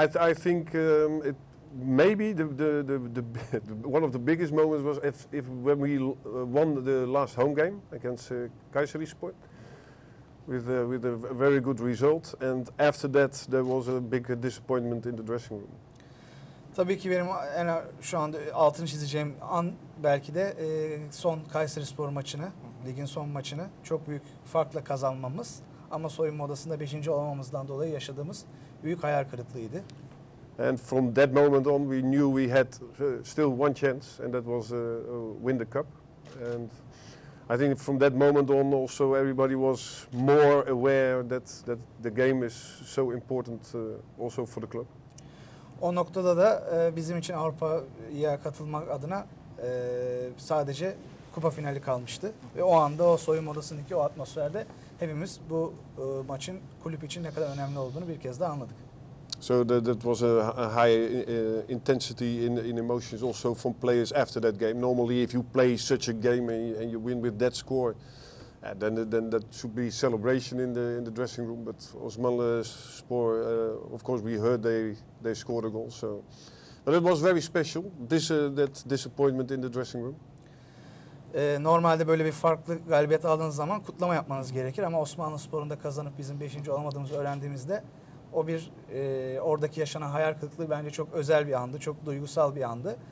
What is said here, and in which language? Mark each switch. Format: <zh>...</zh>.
<en>I think it maybe the one of the biggest moments was if when we won the last home game against Kayserispor. With a very good result, and after that there was a big disappointment in the dressing room.</en> <tr>Tabii ki benim şu anda altını çizeceğim an belki de son Kayserispor maçını, ligin son maçını çok büyük farkla kazanmamız ama soyunma odasında 5. olamamızdan dolayı yaşadığımız büyük hayal kırıklığıydı.</tr> <en>And from that moment on we knew we had still one chance, and that was win the cup. And I think from that moment on also everybody was more aware that the game is so important also for the club.</en> <tr>O noktada da bizim için Avrupa'ya katılmak adına sadece kupa finali kalmıştı. Ve o anda o soyunma odasındaki o atmosferde hepimiz bu maçın kulüp için ne kadar önemli olduğunu bir kez daha anladık.</tr> <en>So that was a high intensity in emotions also from players after that game. Normally if you play such a game and you win with that score, then that should be celebration in the dressing room. But Osman Spor, of course we heard they scored a goal. So, but it was very special, that disappointment in the dressing room.</en> <tr>Normalde böyle bir farklı galibiyet aldığınız zaman kutlama yapmanız gerekir. Ama Osmanlı Spor'un da kazanıp bizim 5. olamadığımızı öğrendiğimizde o bir oradaki yaşanan hayal kırıklığı bence çok özel bir andı, çok duygusal bir andı.</tr>